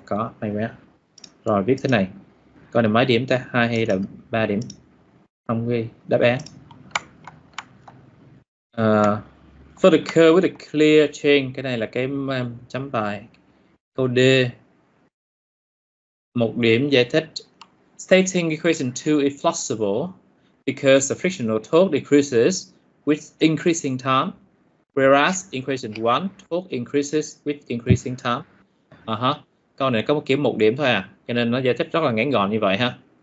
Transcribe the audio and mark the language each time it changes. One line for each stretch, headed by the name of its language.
Vietnamese: Có, may mắn. Rồi viết thế này. Con này mấy điểm ta? 2 hay là 3 điểm? Không ghi đáp án.
English: For the curve with a clear change,
Vietnamese: cái này là cái chấm bài câu D. Một điểm giải thích.
English: Stating equation 2 is flexible because the frictional torque decreases with increasing time, whereas equation 1 torque increases with increasing time.
Vietnamese: Câu này có một kiểu một điểm thôi à, cho nên nó giải thích rất là ngắn gọn như vậy ha.